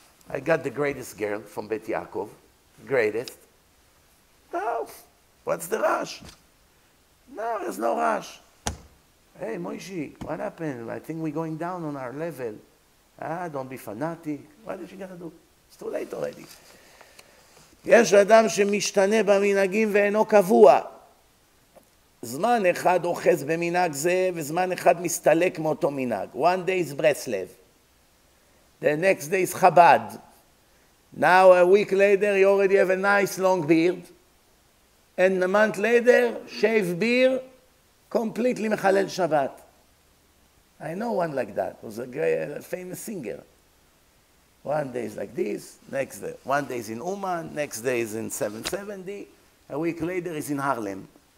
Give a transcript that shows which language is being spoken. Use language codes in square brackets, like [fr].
[en] I got the greatest girl from Bet Yaakov. Greatest. No, what's the rush? No, there's no rush. Hey, Moishi, what happened? I think we're going down on our level. Ah, don't be fanatic. What is she going to do? It's too late already. [he] יש אדם שמשתנה במנהגים ואינו קבוע. זמן אחד אוחז במנהג זה, וזמן אחד מסתלק מאותו מנהג. [en] One day is Breslev. The next day is Chabad. Now, a week later, you already have a nice long beard. And a month later, shave beer, completely [he] מחלל שבת. [en] I know one like that. It was a great, a famous singer. One day is like this, next day, one day is in Uman, next day is in 770, a week later is in Harlem.